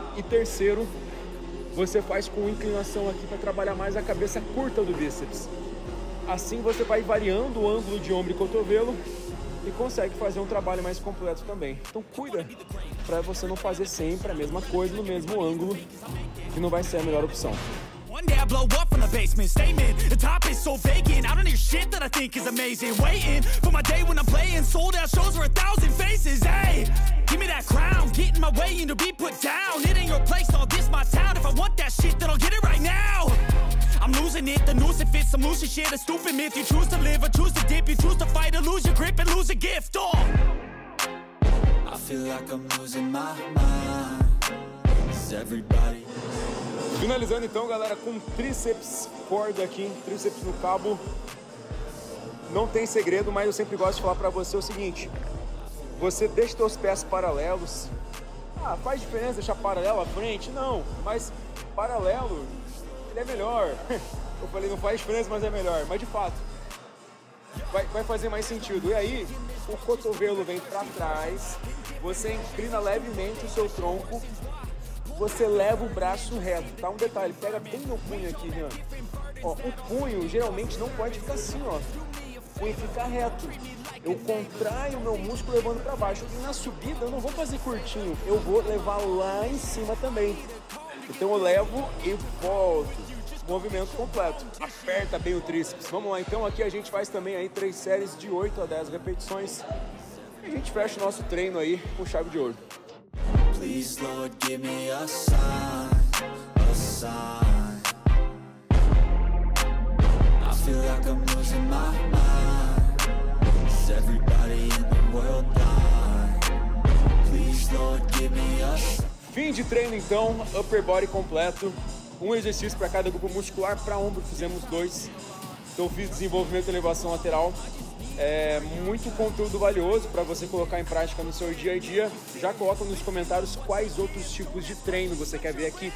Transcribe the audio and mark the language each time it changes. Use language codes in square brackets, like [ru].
[pt] E terceiro, você faz com inclinação aqui para trabalhar mais a cabeça curta do bíceps. Assim você vai variando o ângulo de ombro e cotovelo e consegue fazer um trabalho mais completo também. Então cuida para você não fazer sempre a mesma coisa no mesmo ângulo, que não vai ser a melhor opção. [en] One day I blow up from the basement. Statement, the top is so vacant. I don't hear shit that I think is amazing. Waiting for my day when I'm playing sold out shows for 1,000 faces. Hey, give me that crown. Get in my way and you'll be put down. It ain't your place, no, this my town. If I want that shit, then I'll get it right now. I'm losing it, the noose, it fits some loose shit. A stupid myth, you choose to live or choose to dip. You choose to fight or lose your grip and lose a gift. Oh. I feel like I'm losing my mind. Is everybody... [pt] Finalizando então, galera, com tríceps corda aqui, tríceps no cabo. Não tem segredo, mas eu sempre gosto de falar pra você o seguinte. Você deixa os teus pés paralelos. Ah, faz diferença deixar paralelo à frente? Não, mas paralelo, ele é melhor. Eu falei, não faz diferença, mas é melhor. Mas de fato, vai fazer mais sentido. E aí, o cotovelo vem pra trás, você inclina levemente o seu tronco. você leva o braço reto, tá? Um detalhe, pega bem no punho aqui, Rian. Ó, o punho geralmente não pode ficar assim, ó. Tem que ficar reto. Eu contraio meu músculo levando pra baixo. E na subida eu não vou fazer curtinho, eu vou levar lá em cima também. Então eu levo e volto. Movimento completo. Aperta bem o tríceps. Vamos lá, então aqui a gente faz também aí 3 séries de 8 a 10 repetições. E a gente fecha o nosso treino aí com chave de ouro. [en] Please, Lord, give me a sign, a sign. I feel like I'm losing my mind. Is everybody in the world dying? Please, Lord, give me a sign. [pt] Fim de treino, então. Upper body completo. Um exercício para cada grupo muscular. Para ombro, fizemos 2. Então, fiz desenvolvimento e elevação lateral. É muito conteúdo valioso para você colocar em prática no seu dia a dia. Já coloca nos comentários quais outros tipos de treino você quer ver aqui.